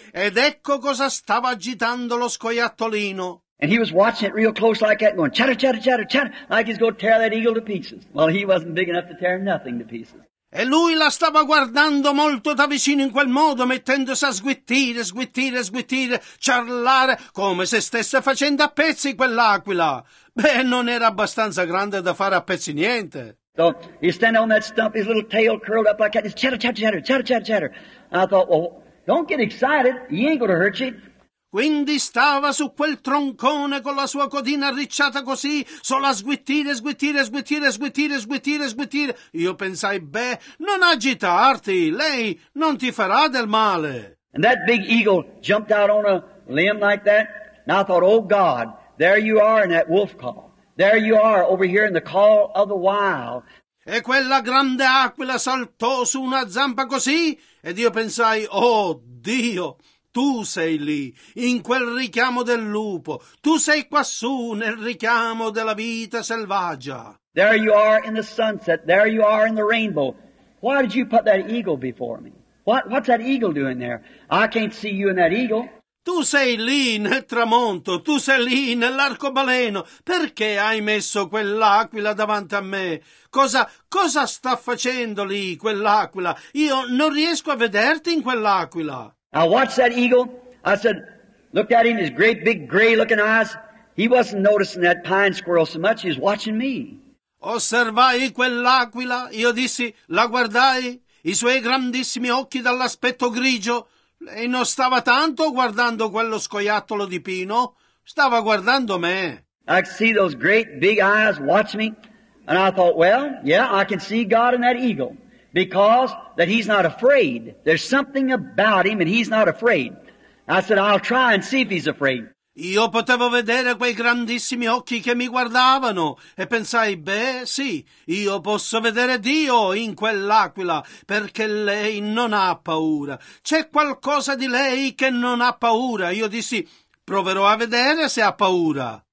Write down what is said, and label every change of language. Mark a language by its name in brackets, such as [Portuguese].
[Italian] Ed ecco cosa stava agitando lo scoiattolino. [English] And he was watching it real close like that, going chatter, chatter, chatter, chatter, like he's going to tear that eagle to pieces. Well, he wasn't big enough to tear nothing to pieces. [Italian] E lui la stava guardando molto da vicino in quel modo, mettendosi a sguittire, sguittire, sguittire, ciarlare, come se stesse facendo a pezzi quell'aquila. Beh, non era abbastanza grande da fare a pezzi niente. [English] So, he's standing on that stump, his little tail curled up like that, he's chatter, chatter, chatter, chatter, chatter, chatter. And I thought, well, don't get excited, he ain't gonna hurt you. [Italian] Quindi stava su quel troncone con la sua codina arricciata così, solo a sguittire, sguittire, sguittire, sguittire, sguittire, sguittire. Io pensai, beh, non agitarti, lei non ti farà del male. [English] And that big eagle jumped out on a limb like that, and I thought, oh God, there you are in that wolf call. There you are over here in the call of the wild. [Italian] E quella grande aquila saltò su una zampa così, ed io pensai, oh Dio, tu sei lì, in quel richiamo del lupo. Tu sei quassù, nel richiamo della vita selvaggia. [English] There you are in the sunset. There you are in the rainbow. Why did you put that eagle before me? What's that eagle doing there? I can't see you in that eagle. [Italian] Tu sei lì nel tramonto. Tu sei lì nell'arcobaleno. Perché hai messo quell'aquila davanti a me? Cosa sta facendo lì quell'aquila? Io non riesco a vederti in quell'aquila. [English] I watched that eagle. I said, looked at him, his great big gray-looking eyes. He wasn't noticing that pine squirrel so much. He was watching me. [Italian] Osservai quell'aquila. Io dissi, la guardai. I suoi grandissimi occhi dall'aspetto grigio. Lei non stava tanto guardando quello scoiattolo di pino. Stava guardando me. [English] I could see those great big eyes watch me. And I thought, well, yeah, I can see God in that eagle. Because that he's not afraid. There's something about him and he's not afraid. I said, I'll try and see if he's afraid. [Italian] Io potevo vedere quei grandissimi occhi che mi guardavano e pensai, beh, sì, io posso vedere Dio in quell'aquila perché lei non ha paura. C'è qualcosa di lei che non ha paura. Io dissi, proverò a vedere se ha paura.